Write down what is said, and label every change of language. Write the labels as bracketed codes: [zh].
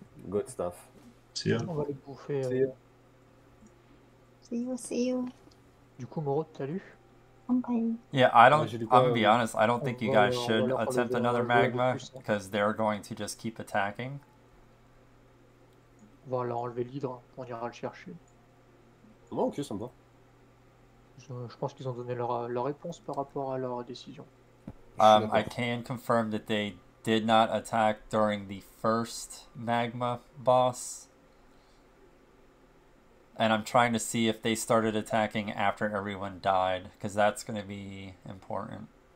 [en] Good stuff. See ya. See you. [fr] Du coup, Moro, salut. [en] Yeah, I'm gonna be honest, I don't think you guys should attempt another magma because they're going to just keep attacking. [fr] On va leur enlever l'hydre, on ira le chercher. Oh, ok, ça me va. Je pense qu'ils ont donné leur réponse par rapport à leur décision. [en] I can confirm that they did not attack during the first magma boss. And I'm trying to see if they started attacking after everyone died, because that's going to be important.